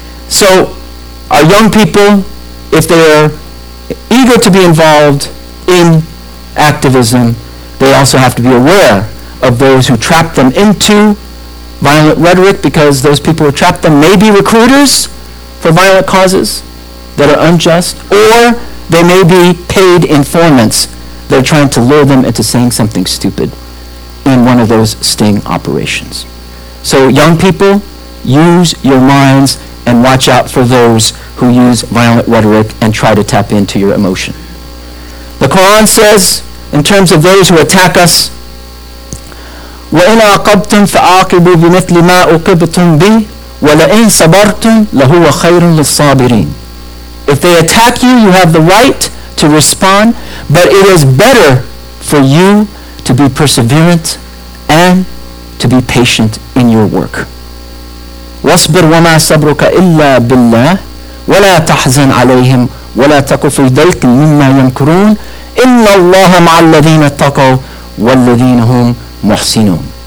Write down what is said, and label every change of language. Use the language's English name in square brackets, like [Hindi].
[English] So our young people, if they are eager to be involved in activism, they also have to be aware of those who trap them into violent rhetoric, because those people who trap them may be recruiters for violent causes that are unjust, or they may be paid informants. They're trying to lure them into saying something stupid in one of those sting operations. So young people, use your minds and watch out for those who use violent rhetoric and try to tap into your emotion. The Quran says, in terms of those who attack us, [Arabic] وَإِنْ عَقَبْتُمْ فَعَاقِبُوا بِمِثْلِ مَا عُقِبْتُمْ بِهِ وَلَئِنْ صَبَرْتُمْ لَهُوَ خَيْرٌ لِلصَّابِرِينَ. [English] If they attack you, you have the right to respond, but it is better for you to be perseverant and to be patient in your work. [Arabic] وَاصْبِرْ وَمَا صَبْرُكَ إِلَّا بِاللَّهِ وَلَا تَحْزَنْ عَلَيْهِمْ وَلَا تَكُ فِي ضَيْقٍ مِّمَّا يَمْكُرُونَ إِنَّ اللَّهَ مَعَ الَّذِينَ اتَّقَوْا وَالَّذِينَ هُمْ مُحْسِنُونَ.